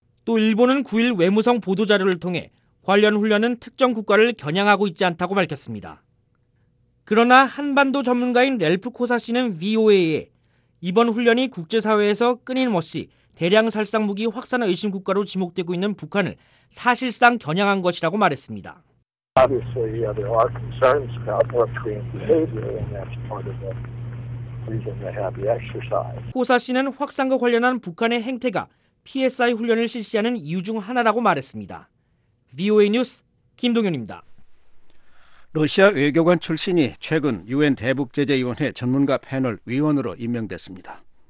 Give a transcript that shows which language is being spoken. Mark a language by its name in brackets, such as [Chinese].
[Korean] 또 일본은 9일 외무성 보도자료를 통해 관련 훈련은 특정 국가를 겨냥하고 있지 않다고 밝혔습니다. 그러나 한반도 전문가인 렐프 코사 씨는 VOA에 이번 훈련이 국제사회에서 끊임없이 대량 살상무기 확산 의심 국가로 지목되고 있는 북한을 사실상 겨냥한 것이라고 말했습니다. [English] Obviously, yeah, there are concerns about North Korean behavior, and that's part of the reason they have the exercise. [Korean] 호사 씨는 확산과 관련한 북한의 행태가 PSI 훈련을 실시하는 이유 중 하나라고 말했습니다. VOA 뉴스 김동현입니다. 러시아 외교관 출신이 최근 UN 대북제재위원회 전문가 패널 위원으로 임명됐습니다.